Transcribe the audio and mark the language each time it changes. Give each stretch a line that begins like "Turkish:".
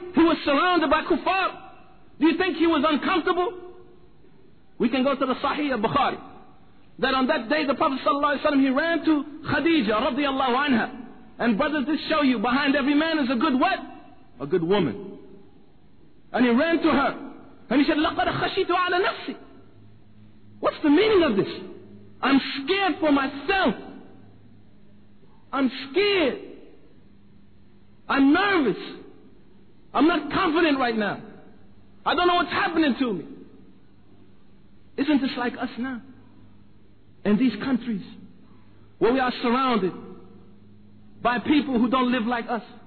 English: He was surrounded by kuffar? Do you think he was uncomfortable? We can go to the Sahih of Bukhari. That on that day the Prophet sallallahu alaihi wasallam, he ran to Khadija radiallahu anha. And brothers, this show you, behind every man is a good what? A good woman. And he ran to her. And he said,
Arabic: لَقَدْ خَشِيتُ عَلَى نَفْسِي.
English: What's the meaning of this? I'm scared for myself. I'm scared. I'm nervous. I'm not confident right now. I don't know what's happening to me. Isn't this like us now? In these countries where we are surrounded by people who don't live like us.